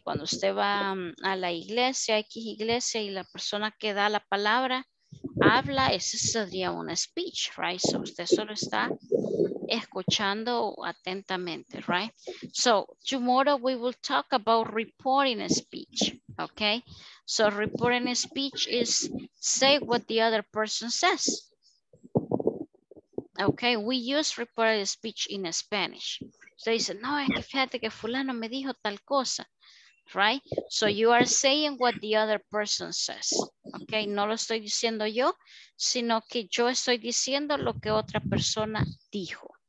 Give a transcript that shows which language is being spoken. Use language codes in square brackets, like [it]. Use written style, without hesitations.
[es] Cuando usted va a la iglesia, X iglesia, y la persona que da la palabra habla, ese sería un speech, right? So usted solo está escuchando atentamente, right? [en] So tomorrow we will talk about reporting a speech, okay? So reporting a speech is say what the other person says. Okay, we use reporting a speech in Spanish. So you say, [es] no, es que fíjate que fulano me dijo tal cosa. [en] Right? So you are saying what the other person says. Okay? [es] No lo estoy diciendo yo, sino que yo estoy diciendo lo que otra persona dijo.